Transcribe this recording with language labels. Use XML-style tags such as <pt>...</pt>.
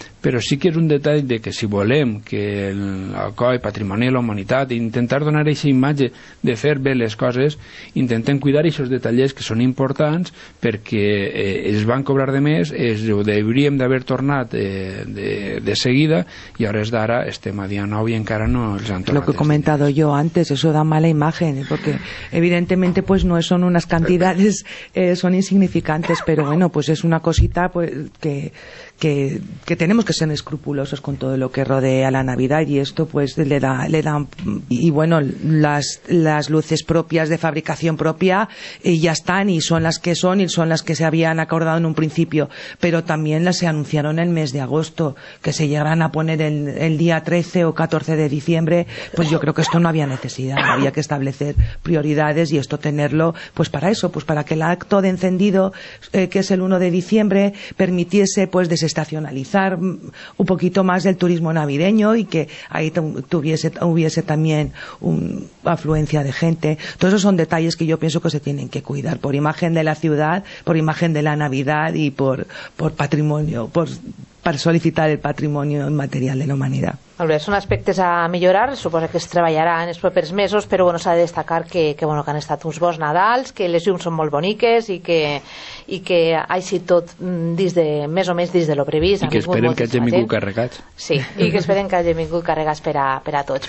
<ca>però sí que és un detall de que si volem que el COI, Patrimoni de la Humanitat, intentar donar aquesta imatge de fer bé les coses, intentem cuidar aquests detallers que són importants, perquè es van cobrar de més, ho hauríem d'haver tornat de seguida, i a hores d'ara estem a dia 9 i encara no els han tornat.</ca> <es>Lo que he comentado yo antes, eso da mala imagen, porque evidentemente pues no son unas cantidades, son insignificantes, pero bueno, pues es una cosita pues que tenemos que ser escrupulosos con todo lo que rodea la Navidad, y esto pues le da y bueno, las luces propias de fabricación propia ya están y son las que se habían acordado en un principio, pero también las se anunciaron en el mes de agosto, que se llegarán a poner el día 13 o 14 de diciembre. Pues yo creo que esto no había necesidad, había que establecer prioridades y esto tenerlo pues para eso, pues para que el acto de encendido, que es el 1 de diciembre, permitiese pues desestacionalizar un poquito más del turismo navideño y que ahí hubiese también una afluencia de gente. Todos esos son detalles que yo pienso que se tienen que cuidar por imagen de la ciudad, por imagen de la Navidad y por patrimonio, para solicitar el patrimonio inmaterial de la humanidad.</es> <ca>Bé, són aspectes a millorar, suposo que es treballarà en els propers mesos, però bueno, s'ha de destacar que, bueno, que han estat uns bons Nadals, que les llums són molt boniques i que així tot més o menys dins de lo previst. I que esperem que hagin vingut carregats. Sí, i que esperem que hagin vingut carregats per a tots.</ca>